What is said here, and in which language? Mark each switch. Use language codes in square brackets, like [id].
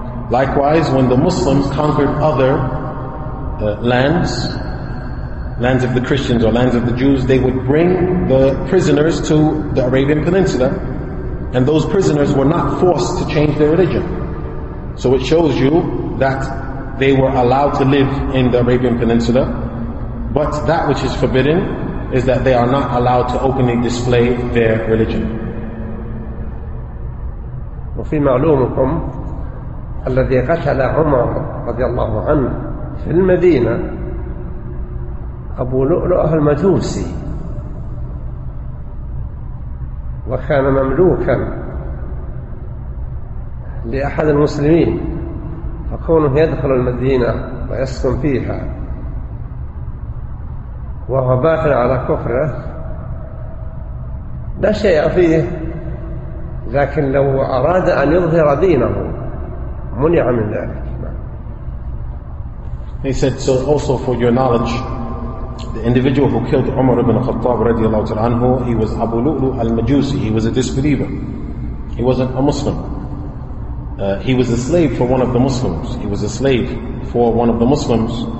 [en] Likewise, when the Muslims conquered other lands of the Christians or lands of the Jews, they would bring the prisoners to the Arabian Peninsula, and those prisoners were not forced to change their religion. So it shows you that they were allowed to live in the Arabian Peninsula, but that which is forbidden is that they are not allowed to openly display their religion. [ar] وفي معلومكم الذي قتل عمر رضي الله عنه في المدينة أبو لؤلؤ المجوسي وكان مملوكا لأحد المسلمين، فكونه يدخل المدينة ويسكن فيها وهو باقٍ على كفره لا شيء فيه، لكن لو أراد أن يظهر دينه منع من ذلك. [en] He said, so also for your knowledge, the individual who killed Umar ibn Khattab [ar] رضي الله تعالى عنه, [en] he was Abu Lu'lu' al-Majusi. He was a disbeliever. He wasn't a Muslim. He was a slave for one of the Muslims. He was a slave for one of the Muslims.